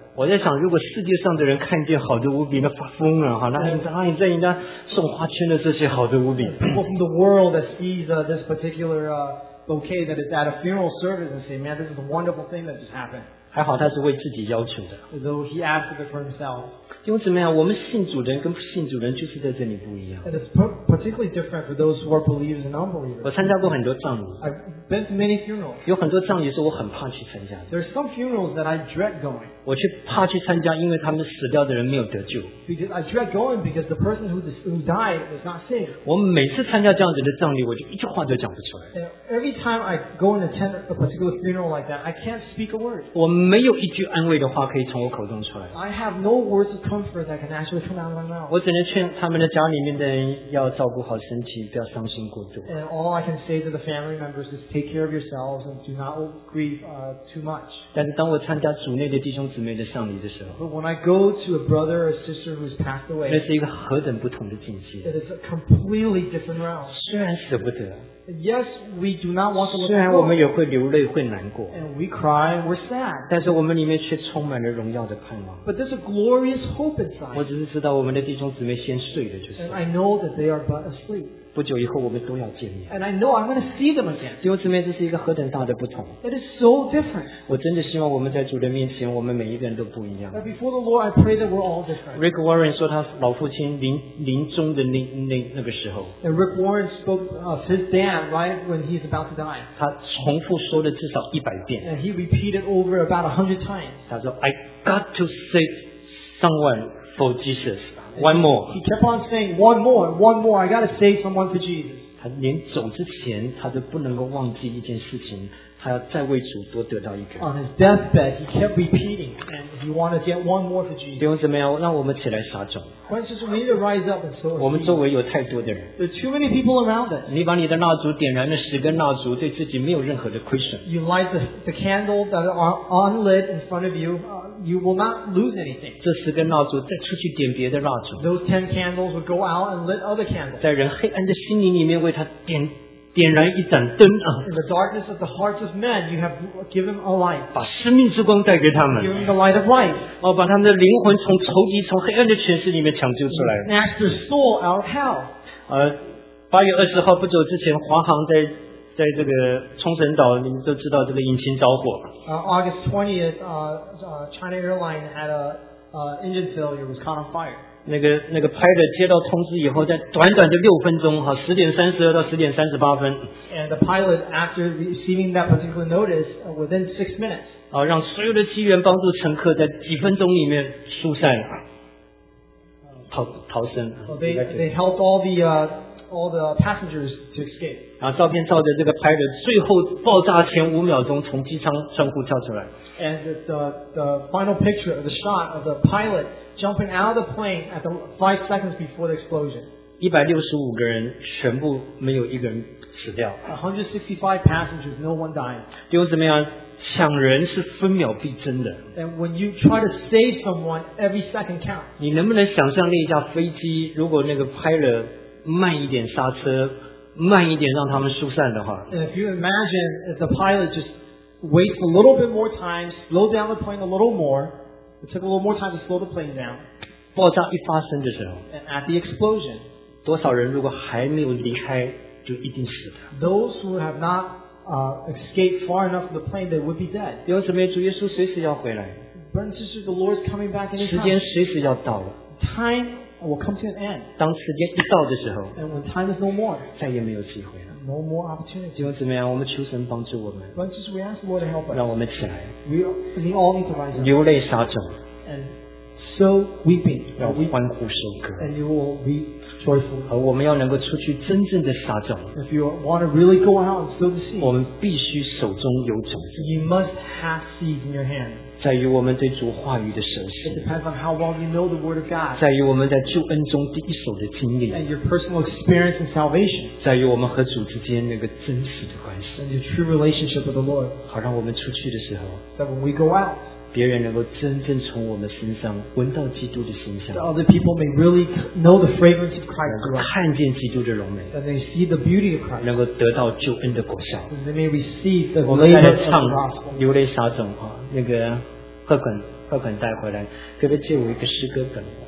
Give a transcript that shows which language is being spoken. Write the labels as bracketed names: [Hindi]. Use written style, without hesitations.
[Chinese] 我在想，如果世界上的人看见好的无比，那发疯了哈！那你在你在人家送花圈的这些好的无比。 [English] People from the world that sees this particular bouquet that is at a funeral service and say, "Man, this is a wonderful thing that just happened." [Chinese] 还好他是为自己要求的。 [English] Though he asked it for himself. [Chinese] 因为怎么样，我们信主的人跟不信主的人就是在这里不一样。 [English] And it's particularly different for those who are believers and unbelievers. [Chinese] 我参加过很多葬礼。 [English] I've been to many funerals. [Chinese] 有很多葬礼是我很怕去参加的。 [English] There are some funerals that I dread going. [Chinese] 我去怕去参加，因为他们死掉的人没有得救。 [English] Because I dread going because the person who died was not saved. [Chinese] 我每次参加这样子的葬礼，我就一句话都讲不出来。 [English] And every time I go and attend a particular funeral like that, I can't speak a word. [Chinese] 我没有一句安慰的话可以从我口中出来。 [English] I have no words of comfort that can actually come out of my mouth. [Chinese] 我只能劝他们的家里面的人要照顾好身体，不要伤心过度。 [English] And all I can say to the family members is take care of yourselves and do not grieve too much. [Chinese] 但是当我参加主内的弟兄姊妹的丧礼的时候， [English] But when I go to a brother or sister who's passed away, [Chinese] 那是一个何等不同的境界。 [English] It is a completely different realm. [Chinese] 虽然舍不得。 [English] Yes, we do not want to look at [Chinese] 虽然我们也会流泪会难过。 [English] And we cry, we're sad. [Chinese] 但是我们里面却充满了荣耀的盼望。 [English] But there's a glorious hope inside. [Chinese] 我只是知道我们的弟兄姊妹先睡了就是。 [English] And I know that they are but asleep. [Chinese] 不久以后我们都要见面。 [English] And I know I'm going to see them again. [Chinese] 弟兄姊妹，这是一个何等大的不同。 [English] That is so different. [Chinese] 我真的希望我们在主的面前，我们每一个人都不一样。 [English] But before the Lord, I pray that we're all different. [Chinese] Rick Warren 说他老父亲临终的那个时候。 [English] And Rick Warren spoke of his dad right when he's about to die. [Chinese] 他重复说了至少100遍。 [English] And he repeated over about 100 times. [Chinese] 他说 [English] ，I got to say someone for Jesus. One more. He kept on saying, one more, one more. I got to save someone for Jesus. [Chinese] 他连走之前他都不能够忘记一件事情，他要再为主多得到一个。 [English] On his deathbed, he kept repeating, and he wanted to get one more for Jesus. [Chinese] 弟兄姊妹，让我们起来撒种。 [English] Francis, we need to rise up and sow. [Chinese] 我们周围有太多的人。 [English] There are too many people around us. [Chinese] 你把你的蜡烛点燃了10根蜡烛，对自己没有任何的亏损。 [English] You light the candles that are unlit in front of you. You will not lose anything. [Chinese] 这十根蜡烛再出去点别的蜡烛。 [English] Those 10 candles would go out and lit other candles. [Chinese] 在人黑暗的心灵里面为他点燃一盏灯啊。 [English] In the darkness of the hearts of men, you have given a light. [Chinese] 把生命之光带给他们。 [English] Giving the light of life. [Chinese] 哦，把他们的灵魂从仇敌、从黑暗的权势里面抢救出来。 [English] Snatch the soul out of hell. [Chinese] 8月20号不久之前，华航在这个冲绳岛，你们都知道这个引擎着火。 [English] August 20th, China Airlines had a engine failure, was caught on fire. [Chinese] 那个 pilot 接到通知以后，在短短的6分钟，哈，10:32到10:38。 [English] And the pilot, after receiving that particular notice, within 6 minutes. [Chinese] 啊，让所有的机员帮助乘客在几分钟里面疏散，逃生。 [English] They helped all the passengers to escape. [Chinese] 然后照片照着这个pilot最后爆炸前5秒钟从机舱窗户跳出来。 [English] And the final picture of the shot of the pilot jumping out of the plane at the 5 seconds before the explosion. [Chinese] 165个人全部没有一个人死掉。 [English] 165 passengers, no one died. [Chinese] 弟兄姊妹啊，抢人是分秒必争的。 [English] And when you try to save someone, every second counts. [Chinese] 你能不能想象那一架飞机，如果那个 pilot慢一点刹车，慢一点让他们疏散的话。 [English] And if you imagine if the pilot just waits a little bit more time, slow down the plane a little more, it took a little more time to slow the plane down. [Chinese] 爆炸一发生的时候。 [English] And at the explosion. [Chinese] 多少人如果还没有离开，就一定死的。 [English] Those who have not escaped far enough from the plane, they would be dead. [Chinese] 弟兄姊妹，主耶稣随时要回来。 [English] But this is the Lord is coming back anytime. [Chinese] 时间随时要到了。 [English] Time. Will come to an end. [Chinese] 当时间一到的时候， [English] and when time is no more, [Chinese] 再也没有机会了。 [English] No more opportunity. [Chinese] 弟兄姊妹啊，我们求神帮助我们。 [English] But just we ask the Lord to help us. [Chinese] 让我们起来。 [English] We all need to rise up. [Chinese] 流泪撒种。 [English] And so weeping. [Chinese] 要欢呼收割。 [English] And you will be joyful. [Chinese] 而我们要能够出去真正的撒种。 [English] If you want to really go out and sow the seed, [Chinese] 我们必须手中有种。 [English] You must have seeds in your hand. [Chinese] 在于我们对主话语的熟悉。 [English] It depends on how well you know the word of God. [Chinese] 在于我们在救恩中第一手的经历。 [English] And your personal experience and salvation. [Chinese] 在于我们和主之间那个真实的关系。 [English] And your true relationship with the Lord. [Chinese] 好让我们出去的时候。 [English] That when we go out. [Chinese] 别人能够真正从我们身上闻到基督的馨香。 [English] That other people may really know the fragrance of Christ. [Chinese] 能够看见基督的荣美。 [English] That they see the beauty of Christ. [Chinese] 能够得到救恩的果效。 [English] That they may receive the labor of the gospel. [Chinese] 流泪撒种啊，那个。贺耿带回来，可不可以借我一个诗歌本？